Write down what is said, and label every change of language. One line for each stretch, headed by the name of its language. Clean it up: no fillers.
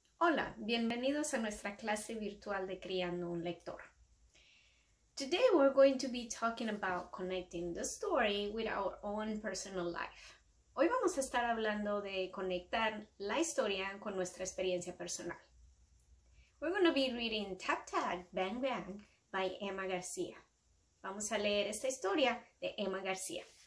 Spanish: Hola, bienvenidos a nuestra clase virtual de Criando un Lector.
English: Today we're going to be talking about connecting the story with our own personal life.
Spanish: Hoy vamos a estar hablando de conectar la historia con nuestra experiencia personal.
English: We're going to be reading Tap Tap, Bang Bang by Emma García.
Spanish: Vamos a leer esta historia de Emma García.